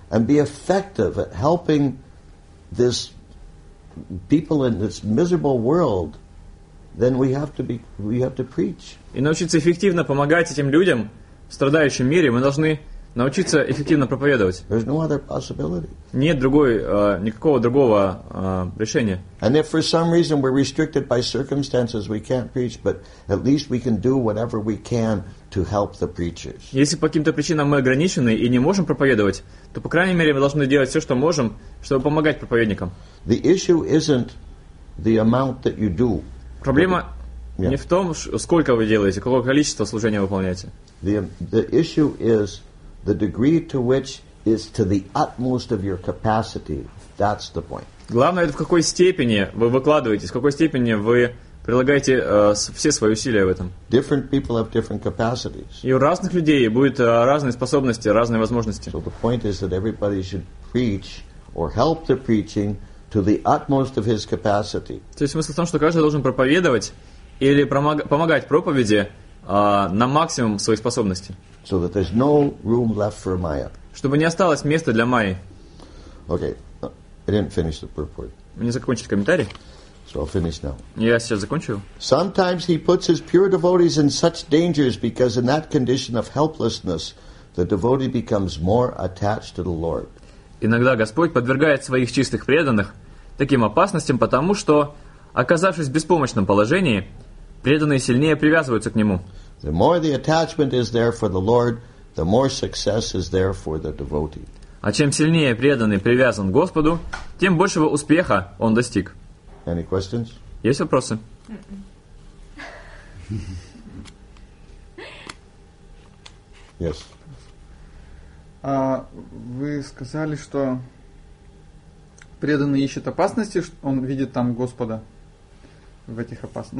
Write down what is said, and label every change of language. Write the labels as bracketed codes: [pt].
[en] And be effective at helping this people in this miserable world. Then we have to preach. [ru] И научиться эффективно помогать этим людям в страдающем мире, мы должны научиться эффективно проповедовать. [en] There's no other possibility. [ru] Нет другой никакого другого решения. [en] And if for some reason we're restricted by circumstances, we can't preach, but at least we can do whatever we can to help the preachers. [ru] Если по каким-то причинам мы ограничены и не можем проповедовать, то по крайней мере мы должны делать все, что можем, чтобы помогать проповедникам. [en] The issue isn't the amount that you do. [ru] Проблема не в том, сколько вы делаете, какое количество служения вы выполняете. [en] The issue is the degree to which is to the utmost of your capacity. That's the point. [ru] Главное, это в какой степени вы выкладываетесь, в какой степени вы прилагаете все свои усилия в этом. [en] Different people have different capacities. [ru] И у разных людей будут разные способности, разные возможности. [en] So the point is that everybody should preach or help the preaching to the utmost of his capacity. [ru] То есть смысл в том, что каждый должен проповедовать или помогать проповеди на максимум своих способностей. [en] So that there's no room left for Maya. [ru] Чтобы не осталось места для Майи. [en] Okay, I didn't finish the purport. [ru] Мне закончить комментарий? [en] So I'll finish now. [ru] Я сейчас закончу. [en] Sometimes he puts his pure devotees in such dangers because in that condition of helplessness, the devotee becomes more attached to the Lord. [ru] Иногда Господь подвергает своих чистых преданных таким опасностям, потому что, оказавшись в беспомощном положении, преданные сильнее привязываются к Нему. [en] The more the attachment is there for the Lord, the more success is there for the devotee. [ru] А чем сильнее преданный привязан к Господу, тем большего успеха он достиг. [en] Any questions? [ru] Есть вопросы? [en] Yes. [ru] Вы сказали, что преданный ищет опасности, он видит там Господа в этих опасностях.